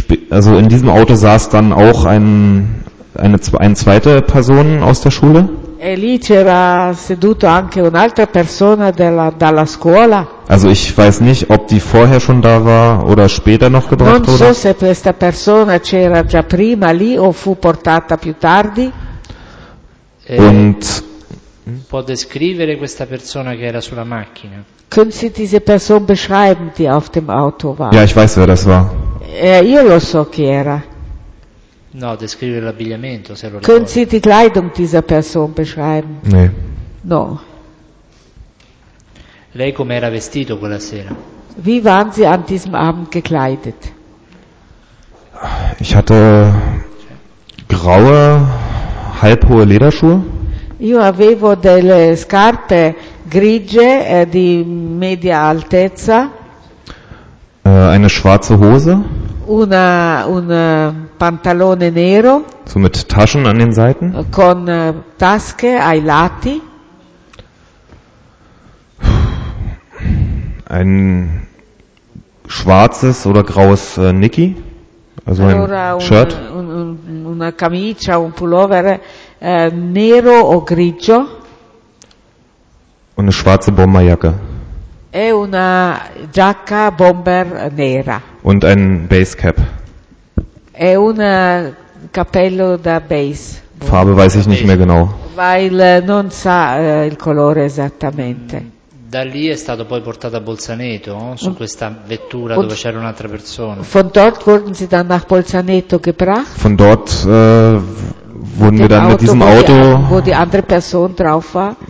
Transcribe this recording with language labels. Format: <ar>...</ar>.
<de>Also in diesem Auto saß dann auch eine zweite Person aus der Schule.</de> <it>E lì c'era seduto anche un'altra persona dalla scuola.</it> <de>Also ich weiß nicht, ob die vorher schon da war oder später noch gebracht wurde.</de> <it>Non so se questa persona c'era già prima lì o fu portata più tardi.</it> <de>Und</de> <it>può descrivere questa persona che era sulla macchina?</it> <de>Können Sie diese Person beschreiben, die auf dem Auto war? Ja, ich weiß, wer das war.</de> <it>Io lo so chi era. No, descrivere l'abbigliamento, se lo ricordo.</it> <de>Können Sie die Kleidung dieser Person beschreiben? Nee.</de> <it>No. Lei come era vestito quella sera?</it> <de>Wie waren Sie an diesem Abend gekleidet? Ich hatte graue, halbhohe Lederschuhe.</de> <it>Io avevo delle scarpe grigie di media altezza.</it> <de>Eine schwarze Hose.</de> <it>Un pantalone nero.</it> <de>So mit Taschen an den Seiten.</de> <it>Con tasche ai lati.</it> <de>Ein schwarzes oder graues Niki. Also</de> <it>allora</it> <de>ein Shirt.</de> <it>Una camicia, un pullover nero o grigio.</it> <de>Und eine schwarze Bomberjacke.</de> <it>E una giacca bomber nera.</it> <de>Und ein Basecap.</de> <it>E un cappello da base.</it> <de>Farbe weiß ich nicht mehr genau.</de> <it>Weil non sa il colore esattamente. Da lì è stato poi portato a Bolzaneto, su questa vettura dove c'era un'altra persona.</it> <de>Von dort wurden sie dann nach Bolzaneto gebracht. Von dort wurden wir dann mit diesem Auto, wo die andere Person drauf war.</de>